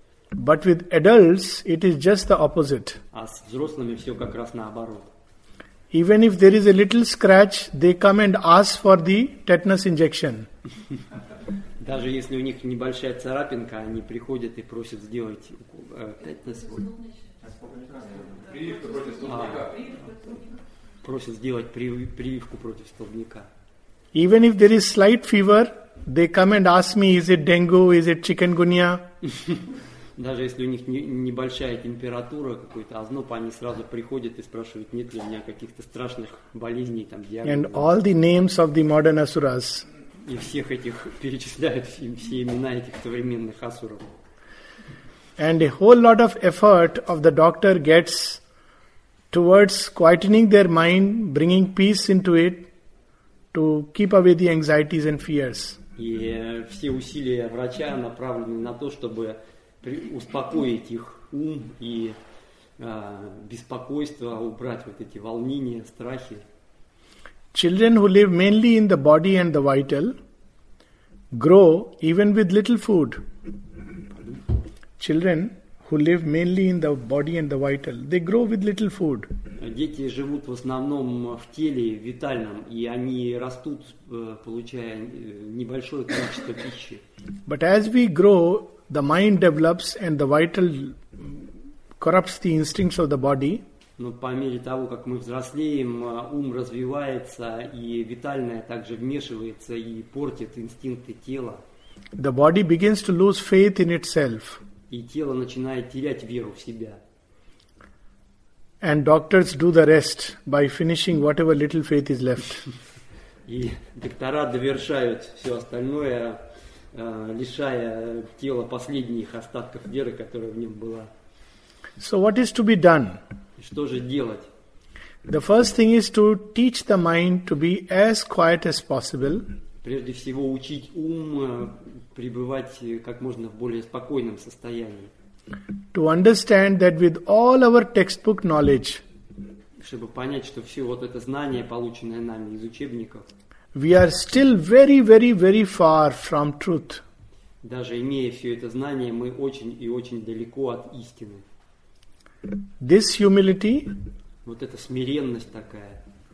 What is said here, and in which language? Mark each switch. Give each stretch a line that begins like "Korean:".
English: But with adults, it is just the opposite.
Russian: А с взрослыми все как раз наоборот.
English: Even if there is a little scratch, they come and ask for the tetanus injection.
Russian: Даже если у них небольшая царапинка, они приходят и просят сделать tetanus. Просят сделать прививку против столбняка.
English: Even if there is slight fever, they come and ask me, is it dengue, is it chikungunya?
Russian: Даже если у них небольшая температура, какой-то озноб, они сразу приходят и спрашивают, нет ли у меня каких-то страшных болезней, там, диагнозов.
English: And all the names of the modern asuras.
Russian: И всех этих, перечисляют все имена этих современных асуров.
English: And a whole lot of effort of the doctor gets towards quietening their mind, bringing peace into it, to keep away the anxieties and fears.
Russian: И все усилия врача направлены на то, чтобы успокоить их ум и беспокойство, убрать вот эти волнения, страхи.
English: Children who live mainly in the body and the vital grow even with little food. Children who live mainly in the body and the vital, they grow with little food.
Russian: Дети живут в основном в теле витальном, и они растут, получая небольшое количество пищи.
English: But as we grow, the mind develops and the vital corrupts the instincts of the body.
Russian: Но по мере того, как мы взрослеем, ум развивается, и витальное также вмешивается и портит инстинкты тела.
English: The body begins to lose faith in itself.
Russian: И тело начинает терять веру в себя.
English: And doctors do the rest by finishing whatever little faith is left.
Russian: И доктора довершают все остальное, лишая тела последних остатков веры, которая в нем была.
English: So what is to be done?
Russian: Что же делать?
English: The first thing is to teach the mind to be as quiet as possible.
Russian: Прежде всего, учить ум пребывать как можно в более спокойном состоянии.
English: To understand that with all our textbook knowledge,
Russian: чтобы понять, что все вот это знание, полученное нами из учебников,
English: we are still very, very, very far from truth.
Russian: Даже имея все это знание, мы очень и очень далеко от истины.
English: This humility,
Russian: вот эта смиренность такая,